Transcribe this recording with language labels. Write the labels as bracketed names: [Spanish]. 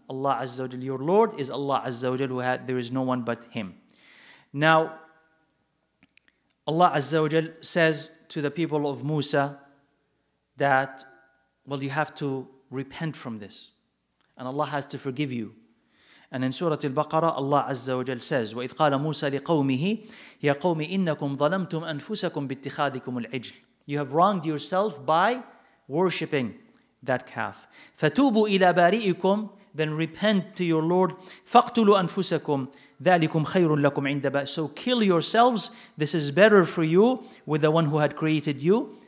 [English] Allah Azza wa Jal, your Lord, is Allah Azza wa Jal, who had, there is no one but Him. Now, Allah Azza wa Jal says to the people of Musa that, well, you have to repent from this. And Allah has to forgive you. And in Surah Al-Baqarah, Allah Azza wa Jal says, [Arabic] وَإِذْ قَالَ مُوسَى لِقَوْمِهِ يَا قَوْمِ إِنَّكُمْ ظَلَمْتُمْ أَنفُسَكُمْ بِاتِّخَاذِكُمُ الْعِجْلِ. [English] You have wronged yourself by worshipping that calf. [Arabic] فَتُوبُوا إِلَى بَارِئِكُمْ. [English] Then repent to your Lord. [Arabic] فَقْتُلُوا أَنفُسَكُمْ ذَلِكُمْ خَيْرٌ لَكُمْ عِنْدَ بَارِئِكُمْ. [English] So kill yourselves. This is better for you with the one who had created you.